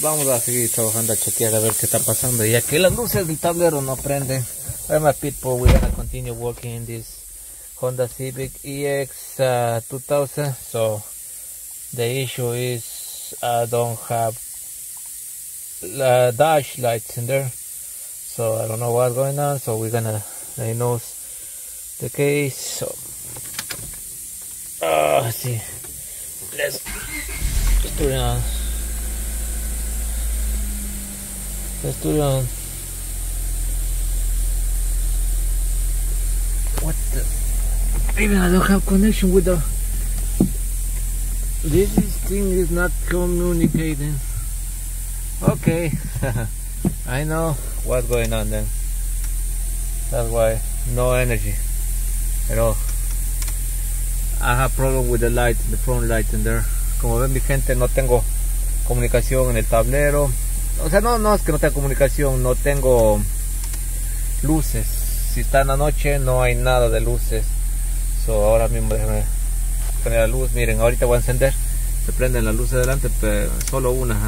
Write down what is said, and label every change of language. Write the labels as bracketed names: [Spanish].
[Spanish] Vamos a seguir trabajando a chequear a ver qué está pasando, ya que las luces del tablero no prenden. [English] Hey, my people, we're gonna continue working in this Honda Civic EX 2000. So the issue is I don't have the dash lights in there, so I don't know what's going on. So we're gonna diagnose the case. So let's turn it on. What the? Even I don't have connection with the. This thing is not communicating. Okay, I know what's going on then. That's why no energy at all. I have problem with the light, the front light in there. [Spanish] Como ven, mi gente, no tengo comunicación en el tablero. O sea, no es que no tenga comunicación, no tengo luces. Si está en la noche, no hay nada de luces. So, ahora mismo déjenme poner la luz. Miren, ahorita voy a encender. Se prenden las luces delante, pero solo una.